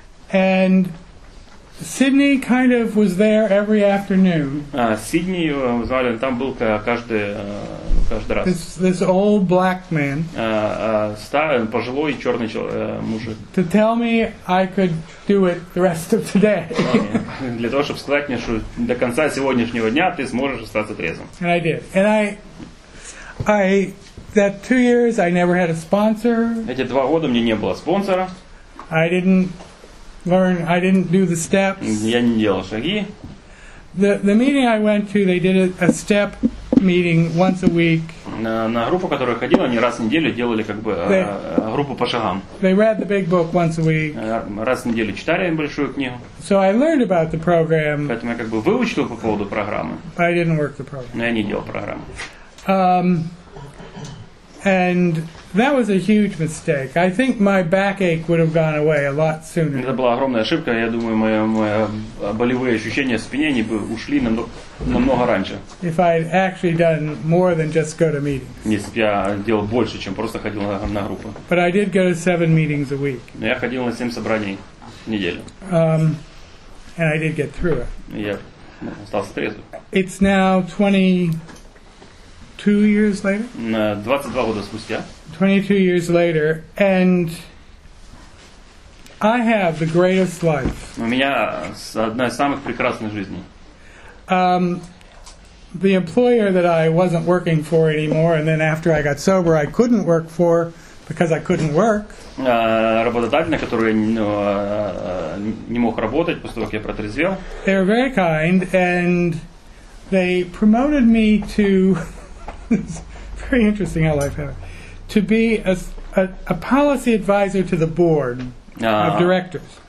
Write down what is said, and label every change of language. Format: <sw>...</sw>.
<en>And Sydney kind of was there every afternoon.</en> <ru>Сидни, звали, там был каждый раз.</ru> <en>This old black man.</en> <ru>Старый, пожилой, черный мужик.</ru> <en>To tell me I could do it the rest of today.</en> <ru>Для того, чтобы сказать мне, что до конца сегодняшнего дня ты сможешь остаться трезвым.</ru> <en>And I did. And I that 2 years I never had a sponsor.</en> <ru>Эти два года мне не было спонсора.</ru> <en>I didn't do the steps.</en> <ru>Я не делал шаги.</ru> <en>The meeting I went to, they did a step meeting once a week.</en> <ru>На группу, которую ходил, они раз в неделю делали как бы группу по шагам.</ru> <en>They read the big book once a week.</en> <ru>Раз в неделю читали большую книгу.</ru> <en>So I learned about the program.</en> <ru>Поэтому я как бы выучил по поводу программы.</ru> <en>I didn't work the program.</en> <ru>Но я не делал программу.</ru> <en>And that was a huge mistake. I think my backache would have gone away a lot sooner.</en> <ru>Это была огромная ошибка. Я думаю, мои болевые ощущения в спине не бы ушли намного раньше.</ru> <en>If I had actually done more than just go to meetings.</en> <ru>Если бы я делал больше, чем просто ходил на группу.</ru> <en>But I did go to 7 meetings a week.</en> <ru>Но я ходил на 7 собраний в неделю.</ru> <en>And I did get through it.</en> <ru>Я остался трезвым.</ru> <en>It's now 22 years later.</en> <ru>22 года спустя.</ru> <en>22 years later, and I have the greatest life.</en> <ru>У меня одна из самых прекрасных жизней.</ru> <en>The employer that I wasn't working for anymore, and then after I got sober, I couldn't work for because I couldn't work.</en> <ru>Работодатель, на который я не мог работать после того, как я протрезвел.</ru> <en>They were very kind, and they promoted me to. It's very interesting how life happened. To be a policy advisor to the board of directors.</en>